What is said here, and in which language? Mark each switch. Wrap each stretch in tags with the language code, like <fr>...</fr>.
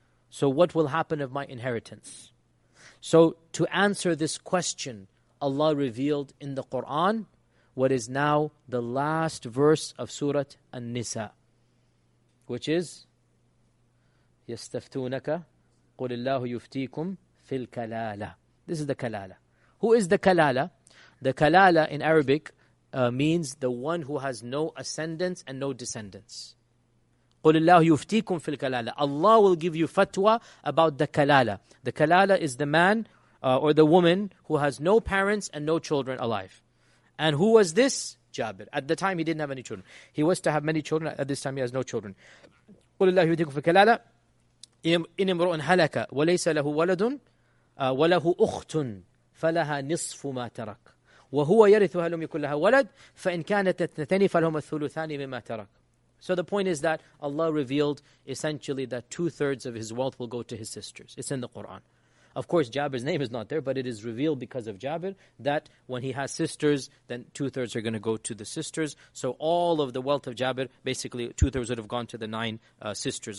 <en>So what will happen of my inheritance? So to answer this question, Allah revealed in the Quran what is now the last verse of Surah An-Nisa, which is, يَسْتَفْتُونَكَ</en> <ar>قل الله يفتيكم في الكلالة.</ar> <en>This is the kalala. Who is the kalala? The kalala in Arabic means the one who has no ascendants and no descendants.</en> <ar>قل الله يفتيكم في الكلالة.</ar> <en>Allah will give you fatwa about the kalala. The kalala is the man or the woman who has no parents and no children alive. And who was this? Jabir. At the time, he didn't have any children. He was to have many children. At this time, he has no children.</en> <ar>قل الله يفتيكم في الكلالة. إن امرؤ هلك وليس له ولد وله أخت فلها نصف ما ترك وهو يرثها لم يكن لها ولد فإن كانت اثنتين فلهما الثلثان مما ترك.</ar> <en>So the point is that Allah revealed essentially that two-thirds of his wealth will go to his sisters. It's in the Quran. Of course, Jabir's name is not there, but it is revealed because of Jabir that when he has sisters, then two-thirds are going to go to the sisters. So all of the wealth of Jabir, basically two-thirds would have gone to the nine sisters.</en>